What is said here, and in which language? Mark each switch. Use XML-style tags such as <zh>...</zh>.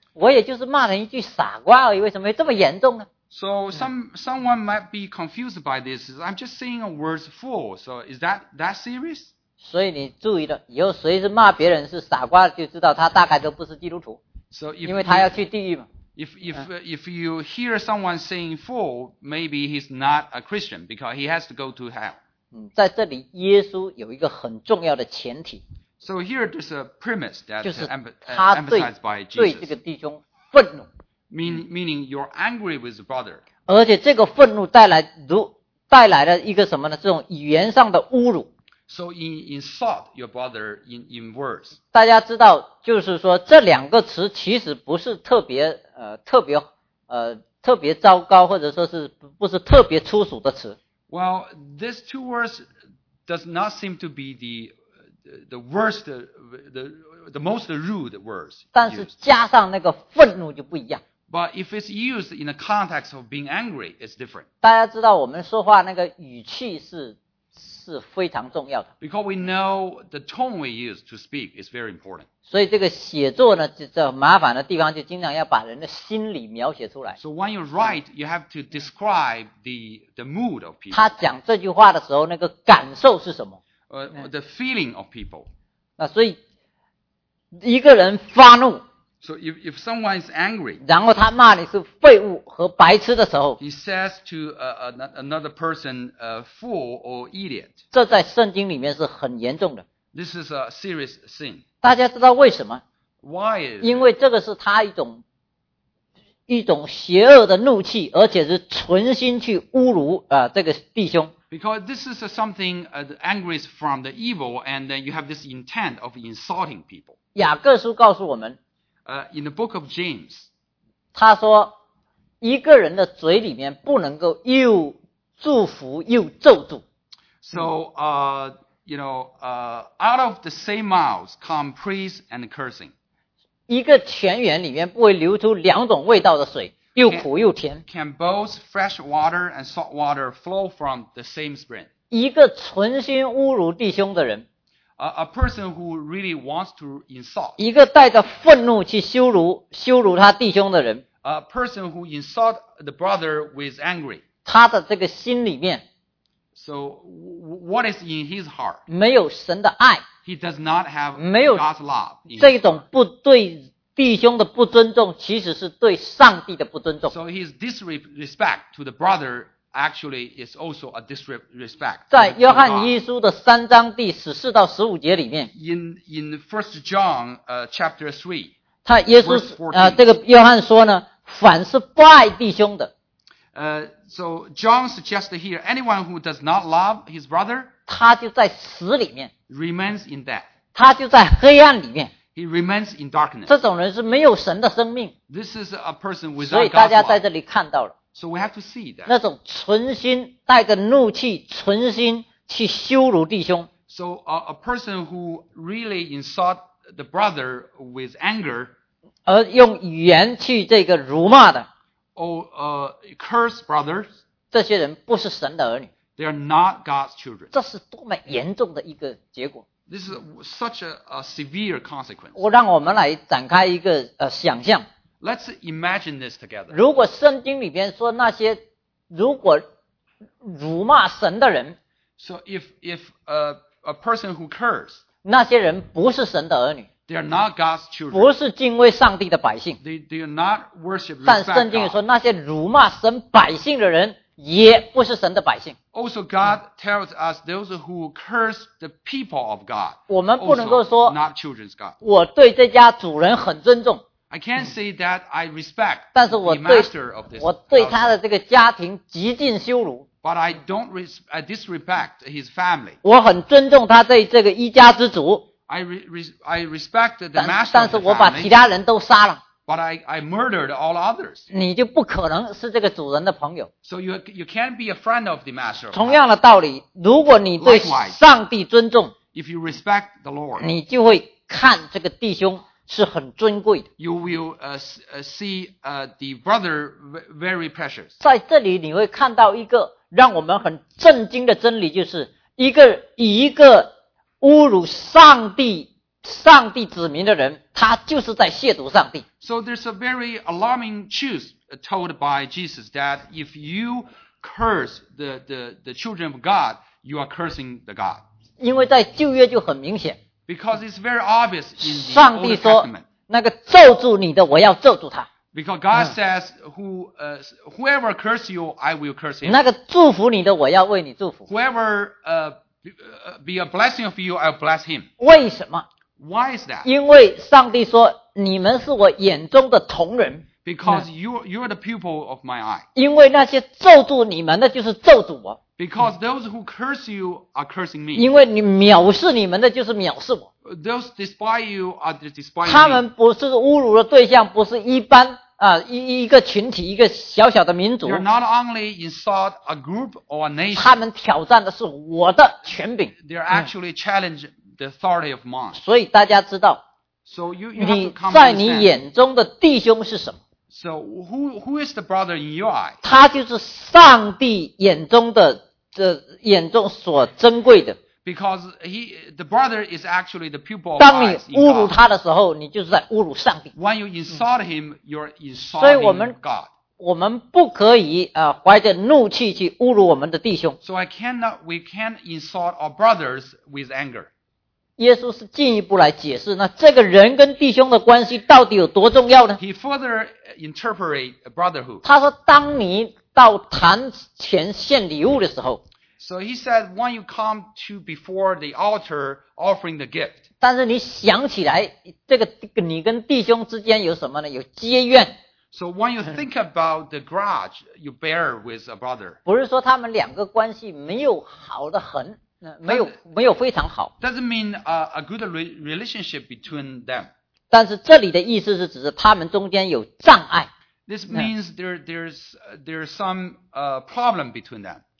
<zh>我也就是骂人一句傻瓜而已，为什么会这么严重呢？</zh> <en>So someone might be confused by this. I'm just saying a word fool. So is that serious?</en> <zh>所以你注意了，以后谁是骂别人是傻瓜，就知道他大概都不是基督徒。</zh> <en>So if,</en> <zh>因为他要去地狱嘛。</zh> <en>If you hear someone saying fool, maybe he's not a Christian because he has to go to hell.</en> <zh>在这里耶稣有一个很重要的前提。</zh> <en>So here there's a premise that emphasized by Jesus.</en> <zh>对这个弟兄愤怒。</zh> <en>Meaning you're angry with the brother.</en> <zh>而且这个愤怒带来了一个什么呢？这种语言上的侮辱。</zh> <en>So you insult your brother in words.</en> <zh>大家知道，就是说这两个词其实不是特别糟糕，或者说是不是特别粗俗的词。</zh> <en>Well, these two words does not seem to be the worst, the most rude words.</en> <zh>但是加上那个愤怒就不一样。</zh> <en>But if it's used in the context of being angry, it's different.</en> <zh>大家知道我们说话那个语气是非常重要的。</zh> <en>Because we know the tone we use to speak is very important.</en> <zh>所以这个写作呢，这麻烦的地方就经常要把人的心理描写出来。</zh> <en>So when you write, you have to describe the mood of people.</en> <zh>他讲这句话的时候那个感受是什么？</zh> <en>The feeling of people.</en> <zh>那所以一个人发怒。</zh> <en>So if someone is angry,</en> <zh>然后他骂你是废物和白痴的时候，</zh> <en>he says to another person, fool or idiot.</en> <zh>这在圣经里面是很严重的。</zh> <en>This is a serious sin.</en> <zh>大家知道为什么？</zh> <en>Why?</en> <zh>因为这个是他一种邪恶的怒气，而且是存心去侮辱这个弟兄。</zh> <en>Because this is something the anger is from the evil, and then you have this intent of insulting people.</en> <zh>雅各书告诉我们。</zh> <en>In the book of James,</en> <zh>他说一个人的嘴里面不能够又祝福又咒诅。</zh> <en>So, you know, out of the same mouth come praise and cursing.</en> <zh>一个泉源里面不会流出两种味道的水，又苦又甜。</zh> <en>Can both fresh water and salt water flow from the same spring?</en> <zh>一个存心侮辱弟兄的人。</zh> <en>A person who really wants to insult.</en> <zh>一个带着愤怒去羞辱他弟兄的人。</zh> <en>A person who insult the brother with angry.</en> <zh>他的这个心里面。</zh> <en>So, what is in his heart?</en> <zh>没有神的爱。</zh> <en>He does not have God's love.</en> <zh>这种不对弟兄的不尊重其实是对上帝的不尊重。</zh> <en>So his disrespect to the brother actually is also a disrespect.</en> <zh>在约翰一书的三章第十四到十五节里面</zh> <en>in First John, chapter 3,</en> <zh>他耶稣、这个约翰说呢，凡是不爱弟兄的、</zh> <en>So John suggests here, anyone who does not love his brother,</en> <zh>他就在死里面</zh> <en>remains in death.</en> <zh>他就在黑暗里面</zh> <en>he remains in darkness.</en> <zh>这种人是没有神的生命</zh> <en>this is a person without God's love.</en> <zh>所以大家在这里看到了</zh> <en>So we have to see that.</en> <zh>那种存心带着怒气存心去羞辱弟兄</zh> <en>So a person who really insult the brother with anger</en> <zh>而用语言去这个辱骂的</zh> <en>curse brothers</en> <zh>这些人不是神的儿女</zh> <en>They are not God's children</en> <zh>这是多么严重的一个结果</zh> <en>This is such a severe consequence</en> <zh>我让我们来展开一个、想象</zh> <en>Let's imagine this together.</en> <zh>如果圣经里边说那些如果辱骂神的人</zh> <en>So if a person who curses,</en> <zh>那些人不是神的儿女</zh> <en>They are not God's children.</en> <zh>不是敬畏上帝的百姓</zh> <en>They are not worshiping</en> <zh>God. 但圣经说那些辱骂神百姓的人也不是神的百姓</zh> <en>Also God tells us those who curse the people of God</en> <zh>我们不能够说</zh> <en>not children's God.</en> <zh>我对这家主人很尊重</zh> <en>I can't say that I respect</en> <zh>但是我对</zh> <en>the master of this</en> <zh>我对他的这个家庭极尽羞辱</zh> <en>But I don't I disrespect his family</en> <zh>我很尊重他对这个一家之主</zh> <en>I respect the master of the</en> <zh>但是我把其他人都杀了</zh> <en>But I murdered all others</en> <zh>你就不可能是这个主人的朋友</zh> <en>So you can't be a friend of the master</en> <zh>同样的道理如果你对上帝尊重</zh> <en>Likewise, If you respect the Lord</en> <zh>你就会看这个弟兄是很尊贵的。</zh> <en>You will see the brother very precious.</en> <zh>在这里你会看到一个让我们很震惊的真理，就是一个以一个侮辱上帝子民的人，他就是在亵渎上帝。</zh> <en>So there's a very alarming truth told by Jesus that if you curse the children of God, you are cursing the God.</en> <zh>因为在旧约就很明显。</zh> <en>Because it's very obvious in the Old Testament.</en> <zh>上帝说那个咒诅你的我要咒诅他。</zh> <en>Because God says, whoever curse you, I will curse him.</en> <zh>那个祝福你的我要为你祝福。</zh> <en>Whoever be a blessing of you, I will bless him.</en> <zh>为什么</zh> <en>Why is that?</en> <zh>因为上帝说你们是我眼中的瞳人。</zh> <en>Because you're the pupil of my eye.</en> <zh>因为那些咒诅你们的就是咒诅我。</zh> <en>Because those who curse you are cursing me.</en> <zh>因为你藐视你们的就是藐视我。</zh> <en>Those despise you are despising me.</en> <zh>他们不是侮辱的对象，不是一般啊一个群体，一个小小的民族。</zh> <en>They're not only insult a group or a nation.</en> <zh>他们挑战的是我的权柄。</zh> <en>They're actually challenge the authority of mine.</en> <zh>所以大家知道，你在你眼中的弟兄是什么？</zh> <en>So who is the brother in your eye?</en> <zh>他就是上帝眼中的这眼中所珍贵的。</zh> <en>Because the brother is actually the pupil of God.</en> <zh>当你侮辱他的时候，你就是在侮辱上帝。</zh> <en>When you insult him, you're insulting God.</en> <zh>所以我们不可以怀着怒气去侮辱我们的弟兄。</zh> <en>So we can't insult our brothers with anger.</en> <zh>耶稣是进一步来解释，那这个人跟弟兄的关系到底有多重要呢</zh> <en>？He further interpret brotherhood.</en> <zh>他说，当你到坛前献礼物的时候</zh> <en>，So he said when you come to before the altar offering the gift.</en> <zh>但是你想起来，这个你跟弟兄之间有什么呢？有结怨。</zh> <en>So when you think about the grudge you bear with a brother,</en> <zh>不是说他们两个关系没有好的很。没有非常好。</zh> <en>Doesn't mean a good relationship between them.</en> <zh>但是这里的意思是指他们中间有障碍。</zh> <en>This means there's some problem between them.</en>